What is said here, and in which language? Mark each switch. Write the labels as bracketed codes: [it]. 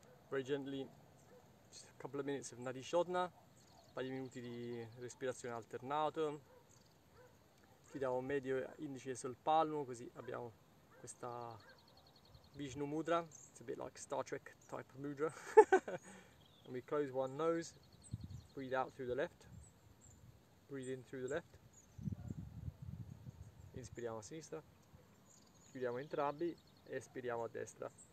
[en] Very gently, just a couple of minutes of Nadi Shodhana, [it] un paio di minuti di respirazione alternato. Chiudiamo medio indice sul palmo, così abbiamo questa Vishnu Mudra. [en] It's a bit like Star Trek type of mudra. And we close one nose, breathe out through the left, breathe in through the left. [it] Inspiriamo a sinistra, chiudiamo entrambi, espiriamo a destra.